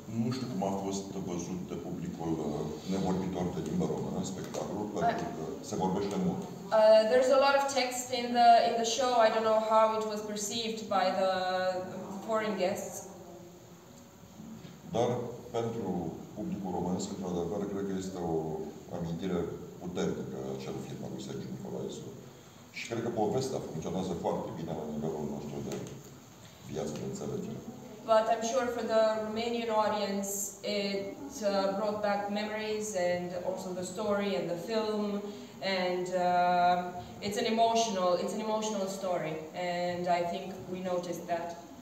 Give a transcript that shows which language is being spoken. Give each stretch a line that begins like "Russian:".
Romanian: Nu știu cum a fost văzut de publicul nevorbitor de limba română în spectacolul, pentru că se vorbește mult.
English: There's a lot of text in the show. I don't know how it was perceived by the foreign guests.
Romanian: Dar pentru publicul românesc, într-adevăr, cred că este o amintire puternică a acelui film al lui Sergiu Nicolaescu. Și cred că povestea funcționează foarte bine la nivelul nostru de viață, de înțelegere.
English: But I'm sure for the Romanian audience, it brought back memories and also the story and the film. And it's an emotional story. And I think we noticed that.